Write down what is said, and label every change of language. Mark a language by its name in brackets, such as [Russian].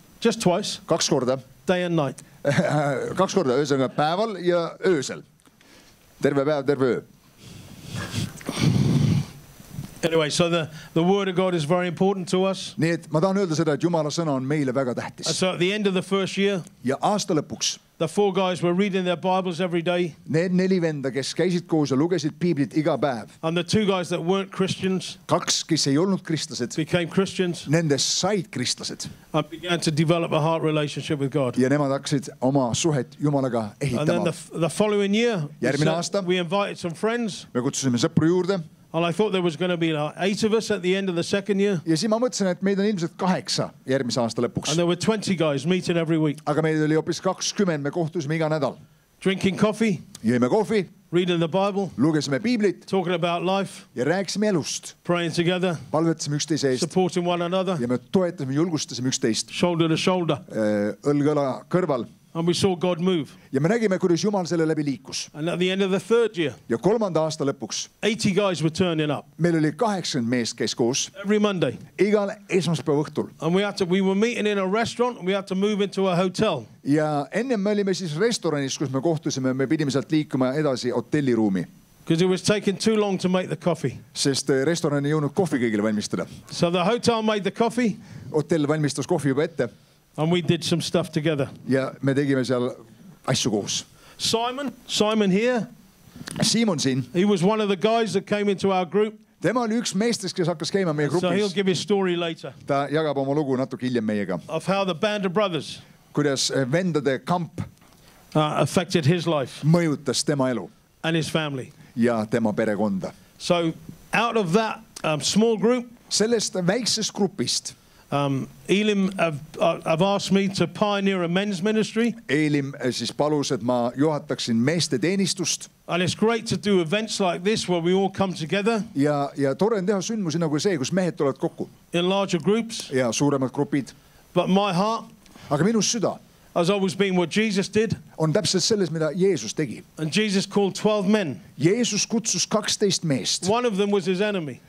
[English] just twice. [Estonian] Kaks korda. [English] Day and night. [Estonian] Kaks korda, öösel päeval ja öösel. Terve päev, terve öö. [English] Anyway, so the word of God is very important to us. [Estonian] Nii et ma tahan öelda seda, et Jumala sõna on meile väga tähtis. [English] So at the end of the first year. [Estonian] Ja aasta lõpuks. [English] The four guys were reading their Bibles every day. [Estonian] Need neli venda, kes käisid koos ja lugesid Piiblit iga päev. [English] And the two guys that weren't Christians. [Estonian] Kaks, kes ei olnud kristlased. [English] Became Christians. [Estonian] Nende said kristlased. [English] And began to develop a heart relationship with God. [Estonian] Ja nemad hakkasid oma suhet Jumalaga ehitama. [English] And then the following year. Järgmine aasta. We invited some friends. [Estonian] Me kutsusime sõpru juurde. [English] And I thought there was going to be like 8 of us at the end of the second year. [Estonian] Ja siis ma mõtlesin, et meid on ilmselt 8 järgmise aasta lõpuks. [English] And there were 20 guys meeting every week. [Estonian] Aga meid oli hoopis 20, me kohtusime iga nädal. [English] Drinking coffee. [Estonian] Jõime kohvi. [English] Reading the Bible. [Estonian] Lugesime Piiblit. [English] Talking about life. [Estonian] Ja rääksime elust. [English] Praying together. [Estonian] Palvetasime üksteise eest. [English] Supporting one another. [Estonian] Ja me toetasime, julgustasime üksteist. [English] Shoulder to shoulder. [Estonian] Õlgõla kõrval. [English] And we saw God move. [Estonian] Ja me nägime, kuidas Jumal selle läbi liikus. [English] And at the end of the third year. [Estonian] Ja kolmanda aasta lõpuks. [English] 80 guys were turning up. [Estonian] Meil oli 80 meest, kes koos. [English] Every Monday. [Estonian] Igal esmaspäeva õhtul. [English] And we were meeting in a restaurant and we had to move into a hotel. [Estonian] Ja enne me olime siis restoranis, kus me kohtusime, me pidime sealt liikuma edasi hotelliruumi. [English] Because it was taking too long to make the coffee. [Estonian] Sest restoran ei jõunud kohvi kõigile valmistada. [English] So the hotel made the coffee. [Estonian] Hotel valmistas kohvi juba ette. [English] And we did some stuff together. [Estonian] Ja me tegime seal asju koos. [English] Simon here. [Estonian] Simon siin. [English] He was one of the guys that came into our group. [Estonian] Tema oli üks meestest, kes hakkas käima meie grupis. [English] So he'll give his story later. [Estonian] Ta jagab oma lugu natuke hiljem meiega. [English] Of how the band of brothers. [Estonian] Kuidas vendade kamp. [English] Affected his life. [Estonian] Mõjutas tema elu. [English] And his family. [Estonian] Ja tema perekonda. [English] So out of that small group. [Estonian] Sellest väiksest grupist. [English] Elim have asked me to pioneer a men's ministry. [Estonian] Elim siis palus, et ma juhataksin meeste teenistust. [English] And it's great to do events like this where we all come together. [Estonian] Ja tore on teha sündmusi nagu see, kus mehed tulevad kokku. [English] In larger groups. [Estonian] Ja suuremad grupid. [English] But my heart. [Estonian] Aga minu süda. [English] Has always been what Jesus did. [Estonian] On täpselt selles, mida Jeesus tegi. [English] And Jesus called 12 men. [Estonian] Jeesus kutsus 12 meest. [English] One of them was his enemy.